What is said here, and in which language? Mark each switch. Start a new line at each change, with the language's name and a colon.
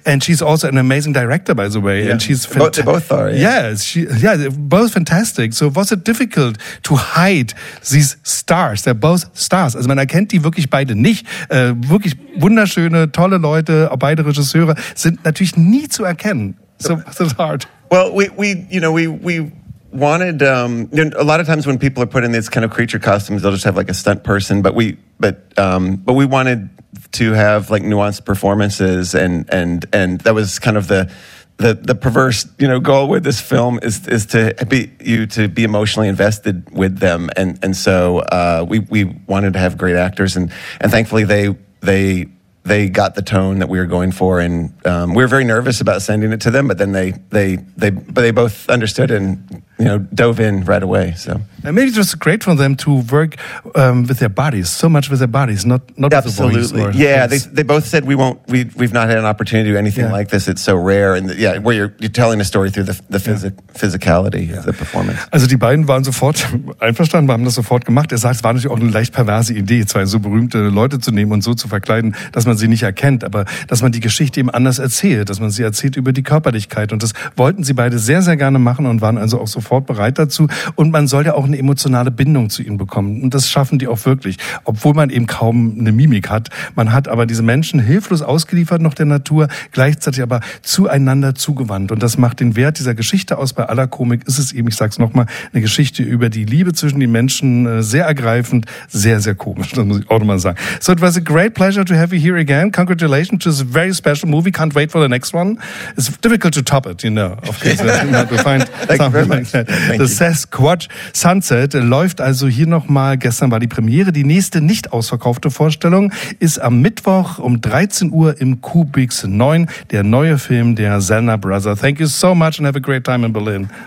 English: And she's also an amazing director, by the way. Yeah. And she's they both are. Both fantastic. So was it difficult to hide these stars? They're both stars.
German: Also man erkennt die wirklich beide nicht. Wirklich wunderschöne, tolle Leute, beide Regisseure, sind natürlich nie zu erkennen.
English: So was it hard? Well, we wanted, a lot of times when people are put in these kind of creature costumes, they'll just have like a stunt person, but we wanted to have like nuanced performances and that was kind of the perverse, goal with this film is to be you to be emotionally invested with them. And so we wanted to have great actors and thankfully they got the tone that we were going for and we were very nervous about sending it to them, but then they both understood and dove in right away. So and maybe it was great for them to work with their bodies, so much with their bodies, not absolutely with the voice. They both said we've not had an opportunity to do anything like this. It's so rare where you're telling a story through the physicality of the performance.
German: Also die beiden waren sofort einverstanden, haben das sofort gemacht. Er sagt, es war natürlich auch eine leicht perverse Idee, zwei so berühmte Leute zu nehmen und so zu verkleiden, dass man sie nicht erkennt, aber dass man die Geschichte eben anders erzählt, dass man sie erzählt über die Körperlichkeit. Und das wollten sie beide sehr, sehr gerne machen und waren also auch sofort bereit dazu. Und man soll ja auch eine emotionale Bindung zu ihnen bekommen. Und das schaffen die auch wirklich, obwohl man eben kaum eine Mimik hat. Man hat aber diese Menschen hilflos ausgeliefert noch der Natur, gleichzeitig aber zueinander zugewandt. Und das macht den Wert dieser Geschichte aus. Bei aller Komik ist es eben, ich sag's nochmal, eine Geschichte über die Liebe zwischen den Menschen, sehr ergreifend, sehr, sehr komisch, das muss ich auch nochmal sagen.
English: So it was a great pleasure to have you here again. Congratulations to this very special movie. Can't wait for the next one. It's difficult to top it, Of course, we'll find something.
German: The Sasquatch Sunset läuft also hier nochmal. Gestern war die Premiere. Die nächste nicht ausverkaufte Vorstellung ist am Mittwoch um 13 Uhr im Kubix 9, der neue Film der Zellner Brothers.
English: Thank you so much and have a great time in Berlin.